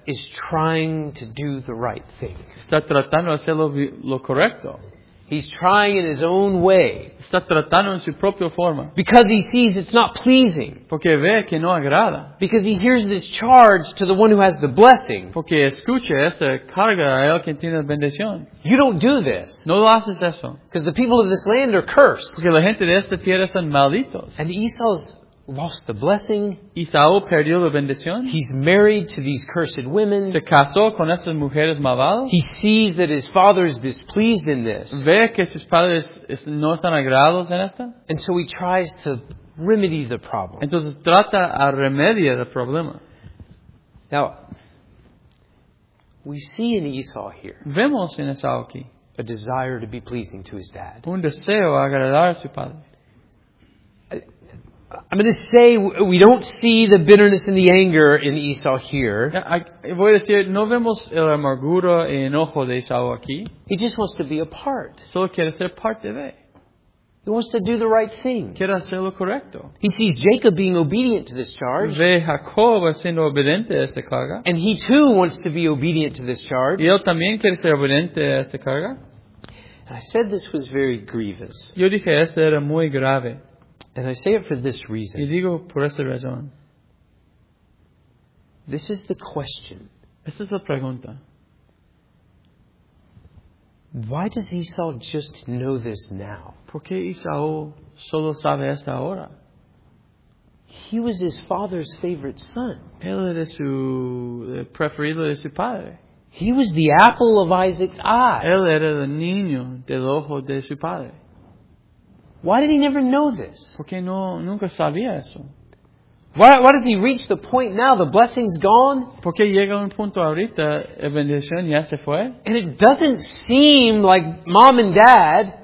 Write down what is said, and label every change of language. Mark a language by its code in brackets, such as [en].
[en] is trying to do the right thing. [es] Está tratando de hacer lo correcto. [en] He's trying in his own way. [es] Está tratando en su propia forma. [en] Because he sees it's not pleasing. [es] Porque ve que no agrada. [en] Because he hears this charge to the one who has the blessing. [es] Porque escucha esta carga a él quien tiene la bendición. [en] You don't do this. [es] No lo haces eso. [en] Because the people of this land are cursed. [es] Porque la gente de esta tierra son malditos. [en] And Esau's lost the blessing. [es] Esau perdió la bendición. [en] He's married to these cursed women. [es] Se casó con esas mujeres malvadas. [en] He sees that his father is displeased in this. [es] Ve que sus padres no están agrados en esta. [en] And so he tries to remedy the problem. [es] Entonces trata a remediar el problema. [en] Now, we see in Esau here. [es] Vemos en Esau aquí. [en] A desire to be pleasing to his dad. [es] Un deseo a agradar a su padre. [en] I'm going to say we don't see the bitterness and the anger in Esau here. [es] I voy a decir, no vemos el amargura y enojo de Esau aquí. [en] He just wants to be a part. [es] Solo quiere ser parte de. [en] He wants to do the right thing. [es] Quiere hacer lo correcto. [en] He sees Jacob being obedient to this charge. [es] Ve Jacob siendo obediente a esta carga. [en] And he too wants to be obedient to this charge. [es] Y él también quiere ser obediente a esta carga. [en] And I said this was very grievous. [es] Yo dije esto era muy grave. [en] And I say it for this reason. [es] Y digo por esa razón. [en] This is the question. [es] Esta es la pregunta. [en] Why does Esau just know this now? [es] ¿Por qué Esau solo sabe esto ahora? [en] He was his father's favorite son. [es] Él era su preferido de su padre. [en] He was the apple of Isaac's eye. [es] Él era el niño del ojo de su padre. [en] Why did he never know this? [es] Porque no, nunca sabía eso. [en] Why does he reach the point now? The blessing's gone. [es] Porque llega un punto ahorita, la bendición ya se fue. [en] And it doesn't seem like mom and dad.